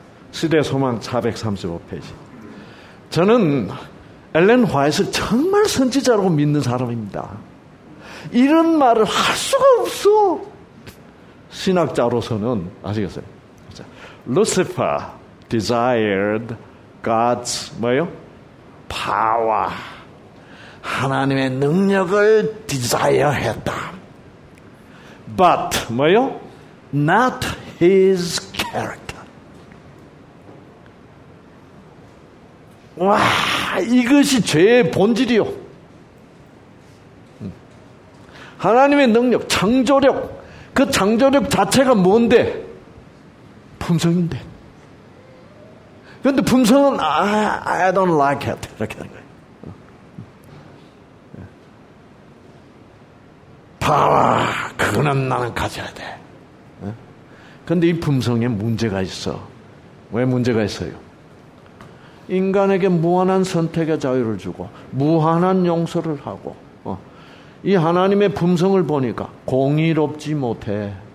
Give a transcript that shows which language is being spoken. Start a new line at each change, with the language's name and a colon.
Korean: 시대 소망 435페이지. 저는 엘렌 화이트를 정말 선지자라고 믿는 사람입니다. 이런 말을 할 수가 없어. 신학자로서는 아시겠어요?
English: 자, Lucifer desired God's
Korean: 뭐요?
English: Power.
Korean: 하나님의 능력을 desire 했다.
English: But
Korean: 뭐요?
English: Not his character.
Korean: 와, 이것이 죄의 본질이요. 하나님의 능력, 창조력, 그 창조력 자체가 뭔데? 품성인데. 그런데 품성은
English: I don't like it.
Korean: 이렇게 하는 거예요. 파워, 그거는 나는 가져야 돼. 그런데 이 품성에 문제가 있어. 왜 문제가 있어요? 인간에게 무한한 선택의 자유를 주고 무한한 용서를 하고 이 하나님의 품성을 보니까 공의롭지 못해.